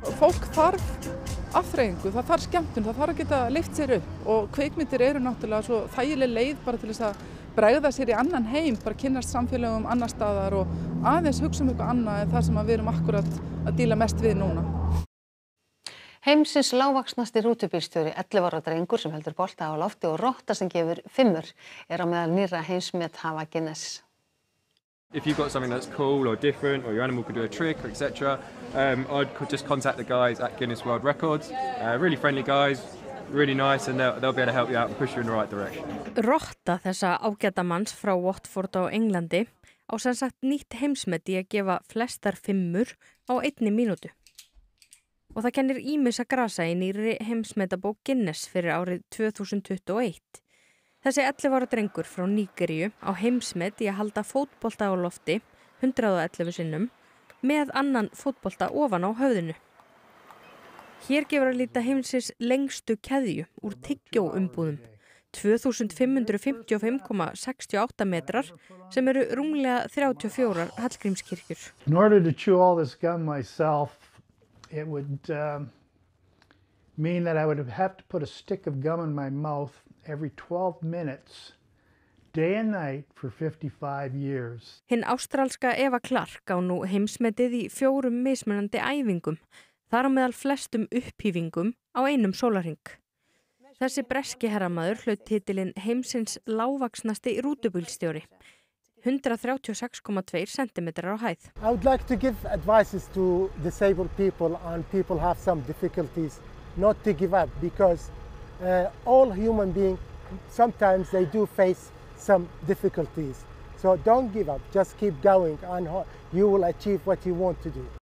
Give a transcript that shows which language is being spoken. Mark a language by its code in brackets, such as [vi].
[is] Fólk þarf afþreyingu, það þarf skemmtun, það þarf að geta lyft sér upp og kvikmyndir eru náttúrulega svo þægileg leið bara til þess að bregða sér í annan heim, bara kynnast samfélögum annars staðar og aðeins hugsa eitthvað annað en það sem við erum akkurat að díla mest við núna. Heimsins lágvaxnasti rútubílstjóri, 11 ára drengur sem heldur bolta á lofti og rotta sem gefur fimmur, á meðal nýrra heimsmet hafa Guinness. [en] If you've got something that's cool or different or your animal could do a trick or etc, I'd just contact the guys at Guinness World Records. Really friendly guys. Really nice and they'll be able to help you out and push you in the right direction. [is] Rotta þessa ágæta manns frá Watford á Englandi á sem sagt nýtt heimsmeti að gefa flestar fimmur á einni mínútu. Og það kennir ýmis að grasa í nýri heimsmetabók Guinness fyrir árið 2021. Þessi 11 ára drengur frá Nígeríu á heimsmet í að halda fótbolta á lofti 111 sinnum með annan fótbolta ofan á höfðinu. Hér gefur að líta heimsins lengstu keðju úr tyggjóumbúðum. 2555,68 metrar sem eru rúmlega 34 Hallgrímskirkjur. [en] In order to chew all this gum myself, it would mean that I would have to put a stick of gum in my mouth every 12 minutes, day and night for 55 years. [is] Hinn ástralska Eva Clark á nú heimsmetið í fjórum mismunandi æfingum, þar á meðal flestum upphífingum á einum sólarhring. Þessi breski herramaður hlaut titilinn heimsins lágvaxnasti rútubílstjóri, 136,2 cm á hæð. [en] I would like to give advices to disabled people and people have some difficulties not to give up because all human beings sometimes they do face some difficulties. So don't give up, just keep going and you will achieve what you want to do.